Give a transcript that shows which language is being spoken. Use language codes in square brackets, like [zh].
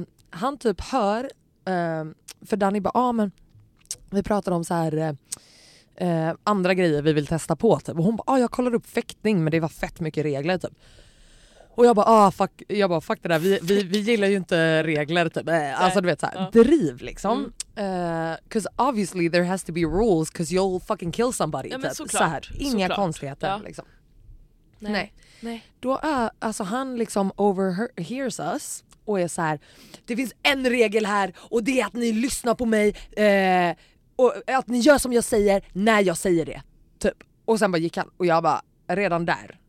[sv] Han typ hör, för Danny bara, ja, men... Vi pratade om så här, andra grejer vi vill testa på. Typ. Och hon bara, jag kollade upp fäktning, men det var fett mycket regler. Typ. Och jag bara, fuck det där. Vi gillar ju inte regler. Typ. Alltså du vet, så här, driv liksom. Mm. [en] Because obviously there has to be rules, because you'll fucking kill somebody. [sv] Ja, men såklart. Så här. Inga såklart. Konstigheter. Ja. Liksom. Nej. Nej. Då alltså han liksom [en] overhears us [sv] och är så här: det finns en regel här och det är att ni lyssnar på mig och att ni gör som jag säger när jag säger det. Typ. Och sen bara gick han och jag bara, redan där.